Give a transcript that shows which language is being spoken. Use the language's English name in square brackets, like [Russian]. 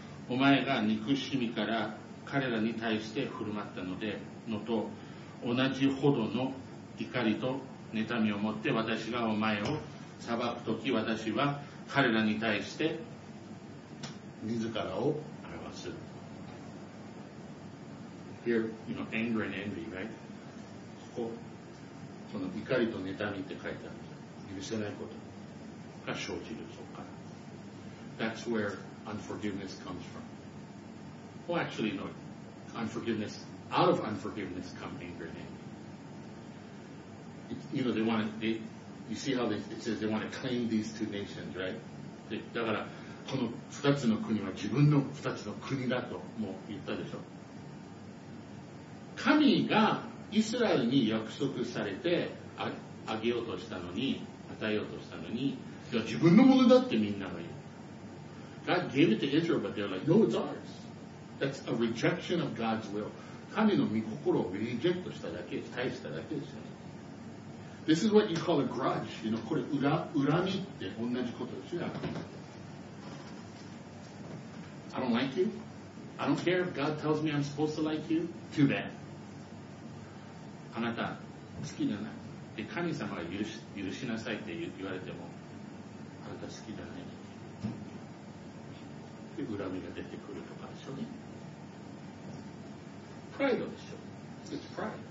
[Japanese] お前が憎しみから彼らに対して振る舞ったのでのと同じほどの怒りと妬みを持って私がお前を裁くとき、私は彼らに対して自らを表す。 [English] Here, you know, anger and envy, right? [Japanese] ここ、その怒りと妬みって書いてあるんです。許せないことが生じる、そこから。 [English] That's where unforgiveness comes from. Well, actually, no. Unforgiveness, out of unforgiveness come anger and envy. You know, you see how it says they want to claim these two nations, right? [Japanese] で、だから、この二つの国は自分の二つの国だとも言ったでしょ。神がイスラエルに約束されてあげようとしたのに、与えようとしたのに、いや、自分のものだってみんなが言う。 [English] God gave it to Israel, but they're like, no, it's ours. That's a rejection of God's will. [Japanese] 神の御心をリジェクトしただけ、返しただけですよね。 [English] This is what you call a grudge. You know, [Japanese] これ恨みって同じことですよ。 [English] I don't like you. I don't care if God tells me I'm supposed to like you. Too bad. [Japanese] あなた、好きじゃない。で、神様が許しなさいって言われても、あなた好きじゃない。恨みが出てくるとかでしょうね。プライドでしょ。 [English] It's pride.